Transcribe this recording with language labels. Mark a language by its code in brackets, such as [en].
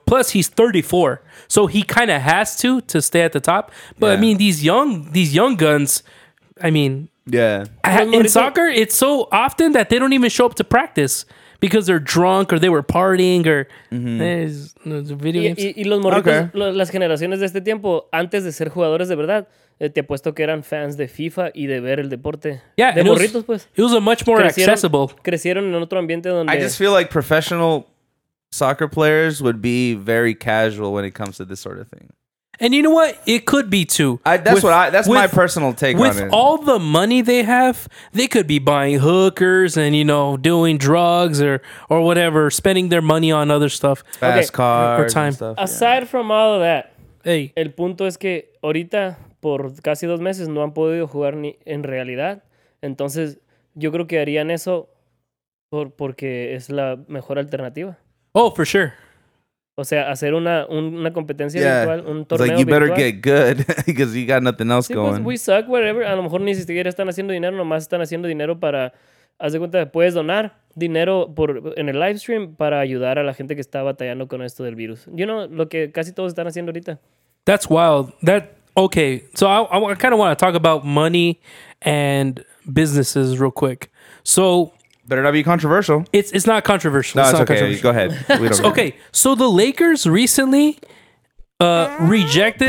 [en] Plus, he's 34, so he kind of has to stay at the top. But yeah. I mean, these young guns, I mean, yeah. In soccer, it's so often that they don't even show up to practice because they're drunk or they were partying or video games. [es] Y los morritos, okay. Las generaciones de este tiempo, antes de ser jugadores de verdad, te apuesto que eran fans de FIFA y de ver el deporte. [en] Yeah, [es] de morritos, pues. [en] It was a much more accessible. [es] Crecieron en otro ambiente donde... [en] I just feel like professional soccer players would be very casual when it comes to this sort of thing. And you know what? It could be too. My personal take on it. With all the money they have, they could be buying hookers and, you know, doing drugs or whatever, spending their money on other stuff. Fast cars and stuff. Aside from all of that, [es] el punto es que ahorita, por casi 2 meses, no han podido jugar ni en realidad. Entonces, yo creo que harían eso porque es la mejor alternativa. [en] Oh, for sure. [es] O sea, hacer una competencia virtual, un torneo virtual. [en] Like, you better get good because you got nothing else going. [es] Pues, [en] we suck, whatever. [es] A lo mejor ni siquiera están haciendo dinero, nomás están haciendo dinero para... Haz de cuenta, puedes donar dinero en el live stream para ayudar a la gente que está batallando con esto del virus. [en] You know, [es] lo que casi todos están haciendo ahorita. [en] That's wild. Okay, so I kind of want to talk about money and businesses real quick. So... Better not be controversial. It's not controversial. No, it's not okay. Controversial. Go ahead. Okay. So the Lakers recently rejected.